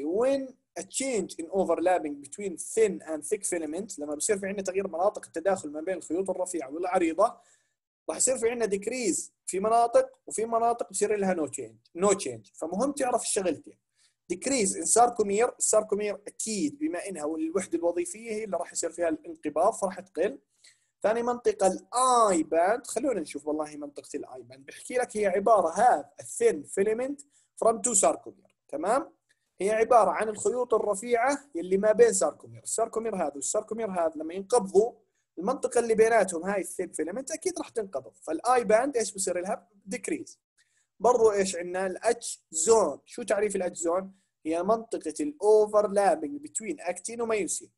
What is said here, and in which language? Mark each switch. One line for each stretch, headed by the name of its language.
English: When a change in overlapping between thin and thick filaments,
Arabic: لما بصير في عنا تغيير مناطق التداخل ما بين الخيوط الرفيعة والعريضة, راح يصير في عنا decrease في مناطق, وفي مناطق بصير لها
English: no change. No change.
Arabic: فمهم تعرف الشغلتين.
English: Decrease in sarcomere.
Arabic: Sarcomere أكيد بما إنها الوحدة الوظيفية هي اللي راح يصير فيها الانقباض فراح تقل. ثاني منطقة الآي باند, خلونا نشوف والله منطقة الآي باند. بحكي لك هي عبارة
English: have a thin filament from two sarcomere.
Arabic: تمام؟ هي عبارة عن الخيوط الرفيعة اللي ما بين sarcomere. sarcomere هذا والsarcomere هذا لما ينقبضوا المنطقة اللي بيناتهم هاي thin filament أكيد راح تنقبض. فالآي باند إيش بصير لها؟ decrease. برضو إيش عنا الأتش زون. شو تعريف الأتش زون؟ هي منطقة الأوفرلابينج بتوين أكتين وميوسين.